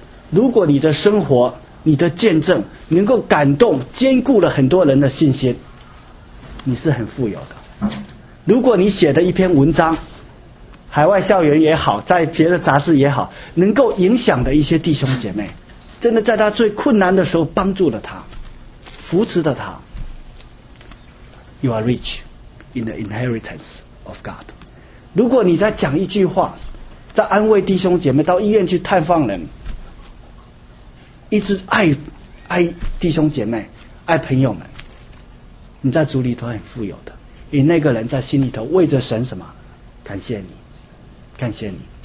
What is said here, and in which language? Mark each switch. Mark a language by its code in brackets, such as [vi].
[zh] 如果你的生活、你的见证能够感动、坚固了很多人的信心，你是很富有的。如果你写的一篇文章，海外校园也好，在别的杂志也好，能够影响的一些弟兄姐妹，真的在他最困难的时候帮助了他，扶持着他。 [en] You are rich in the inheritance of God。 [zh] 如果你在讲一句话，在安慰弟兄姐妹，到医院去探访人，一直爱爱弟兄姐妹，爱朋友们，你在主里头很富有的，你那个人在心里头为着神什么，感谢你，感谢你。